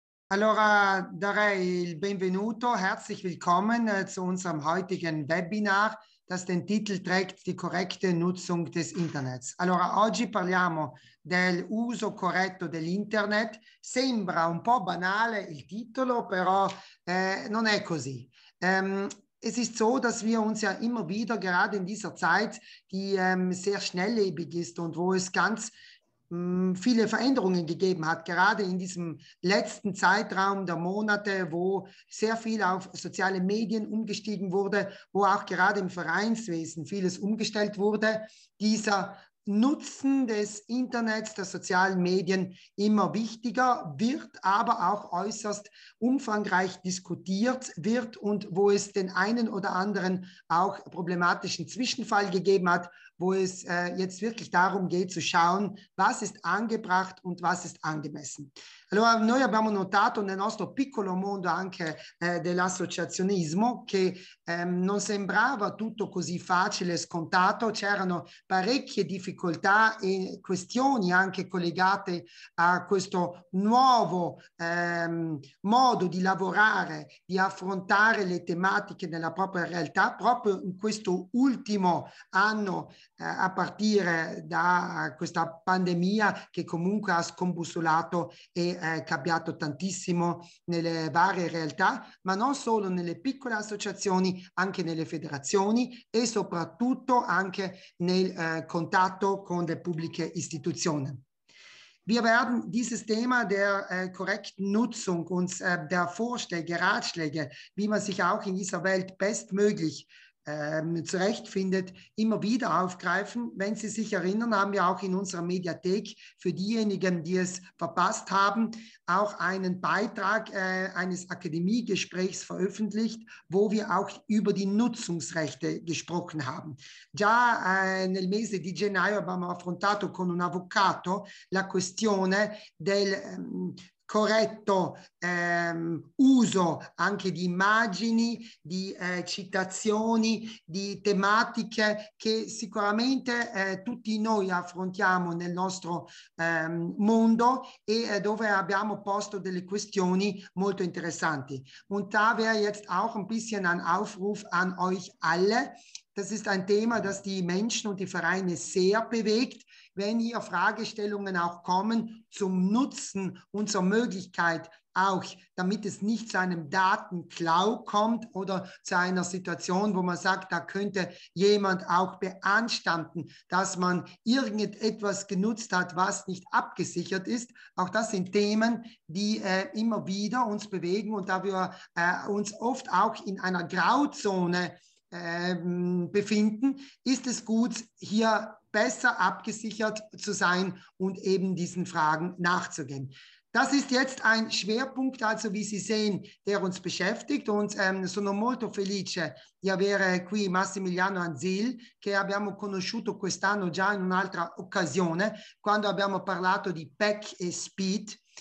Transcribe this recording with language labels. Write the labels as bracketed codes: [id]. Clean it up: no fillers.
[it] Allora darei il benvenuto, [de] herzlich willkommen zu unserem heutigen Webinar, das den Titel trägt Die korrekte Nutzung des Internets. [it] Allora, oggi parliamo del uso corretto dell'Internet. Sembra un po' banale il titolo, però non è così. [de] Es ist so, dass wir uns ja immer wieder gerade in dieser Zeit, die sehr schnelllebig ist und wo es ganz viele Veränderungen gegeben hat, gerade in diesem letzten Zeitraum der Monate, wo sehr viel auf soziale Medien umgestiegen wurde, wo auch gerade im Vereinswesen vieles umgestellt wurde, dieser Nutzen des Internets, der sozialen Medien immer wichtiger wird, aber auch äußerst umfangreich diskutiert wird und wo es den einen oder anderen auch problematischen Zwischenfall gegeben hat, wo es jetzt wirklich darum geht zu schauen, was ist angebracht und was ist angemessen. [it] Allora, noi abbiamo notato nel nostro piccolo mondo anche dell'associazionismo che non sembrava tutto così facile e scontato, c'erano parecchie difficoltà e questioni anche collegate a questo nuovo modo di lavorare, di affrontare le tematiche nella propria realtà, proprio in questo ultimo anno. A partire da questa pandemia che comunque ha scombussolato e cambiato tantissimo nelle varie realtà, ma non solo nelle piccole associazioni, anche nelle federazioni e soprattutto anche nel contatto con le pubbliche istituzioni. [de] Wir werden dieses Thema der korrekten Nutzung und der Vorschläge, Ratschläge, wie man sich auch in dieser Welt bestmöglich zurechtfindet, immer wieder aufgreifen. Wenn Sie sich erinnern, haben wir auch in unserer Mediathek für diejenigen, die es verpasst haben, auch einen Beitrag eines Akademiegesprächs veröffentlicht, wo wir auch über die Nutzungsrechte gesprochen haben. [it] Già nel mese di gennaio abbiamo affrontato con un avvocato la questione del corretto uso anche di immagini, di citazioni, di tematiche che sicuramente tutti noi affrontiamo nel nostro mondo e dove abbiamo posto delle questioni molto interessanti. [de] Und da wäre jetzt auch ein bisschen ein Aufruf an euch alle. Das ist ein Thema, das die Menschen und die Vereine sehr bewegt. Wenn hier Fragestellungen auch kommen zum Nutzen und zur Möglichkeit, auch damit es nicht zu einem Datenklau kommt oder zu einer Situation, wo man sagt, da könnte jemand auch beanstanden, dass man irgendetwas genutzt hat, was nicht abgesichert ist. Auch das sind Themen, die immer wieder uns bewegen und da wir uns oft auch in einer Grauzone befinden, ist es gut, hier besser abgesichert zu sein und eben diesen Fragen nachzugehen. Das ist jetzt ein Schwerpunkt, also wie Sie sehen, der uns beschäftigt und [it] sono molto felice di avere qui Massimiliano Anzil, che abbiamo conosciuto quest'anno già in un'altra occasione, quando abbiamo parlato di PEC e SPID.